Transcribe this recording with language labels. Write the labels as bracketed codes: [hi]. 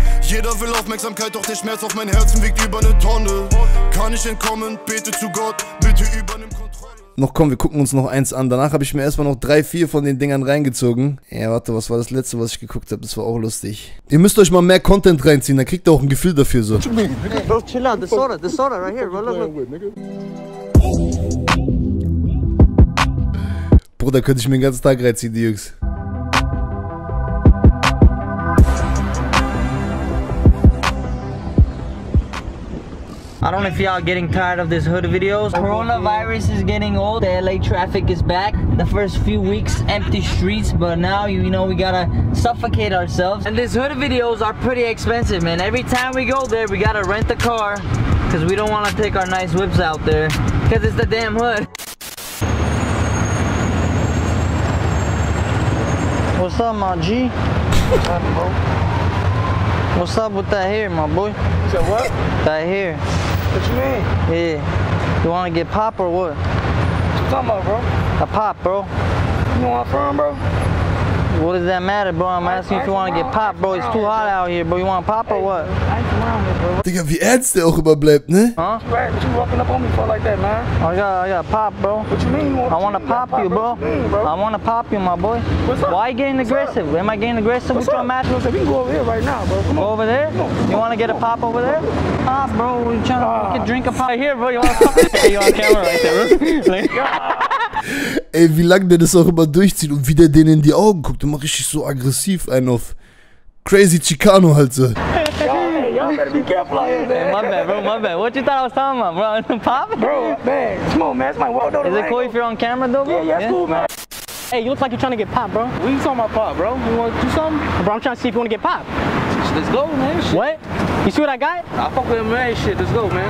[de] Jeder will Aufmerksamkeit, doch der Schmerz auf mein Herzen wiegt über ne Tonne. Kann ich entkommen, bete zu Gott, bitte übernimm Kontrolle. Noch komm, wir gucken uns noch eins an. Danach habe ich mir erstmal noch 3, 4 von den Dingern reingezogen. Ja, warte, was war das letzte, was ich geguckt habe? Das war auch lustig. Ihr müsst euch mal mehr Content reinziehen, dann kriegt ihr auch ein Gefühl dafür so. [en] Hey, bro, chill out, the sauna right here, bro, look. [de] Bruder, könnte ich mir den ganzen Tag reinziehen, die Jungs. [en] I don't know if y'all getting tired of this hood videos. Coronavirus is getting old. The LA traffic is back. The first few weeks, empty streets. But now, you know, we gotta suffocate ourselves. And these hood videos are pretty expensive, man. Every time we go there, we gotta rent the car. Because we don't want to take our nice whips out there. Because it's the damn hood. What's up, my G? What's up, bro? What's up with that hair, my boy? What's up, what? That hair. What you mean? Yeah. You wanna get pop or what? What you talking about, bro? A pop, bro. You want from, bro? What does that matter, bro? I'm asking if you wanna get pop, bro. It's too hot out here, bro. You wanna pop or what? [de] Digga, wie ernst der auch immer bleibt, ne? Huh? [en] What you walking up on me for like that, man? I got pop, bro. What you mean? I wanna pop you, bro. I wanna pop you, my boy. What's up? Why are you getting aggressive? Am I getting aggressive with your match? We can go over here right now, bro. Come on. Go over there? You wanna get a pop over there? Pop, bro. You trying to fucking drink a pop right here, bro? You wanna pop? Hey, you on camera right there, bro? [de] Ey, wie lange der das auch immer durchzieht und wie der denen in die Augen guckt, immer richtig so aggressiv, ein auf Crazy Chicano halt so. [en] Hey, my bad, bro, my bad. What you thought I was talking about, bro? Pop? Bro, man, come on, man, it's my world. Is it cool if you're on camera, though, bro? Yeah, it's cool, man. Hey, you look like you're trying to get pop, bro. What are you talking about pop, bro? You want to do something? Bro, I'm trying to see if you want to get pop. Let's go, man. Shit. What? You see what I got? I fuck with him, man. Shit, let's go, man.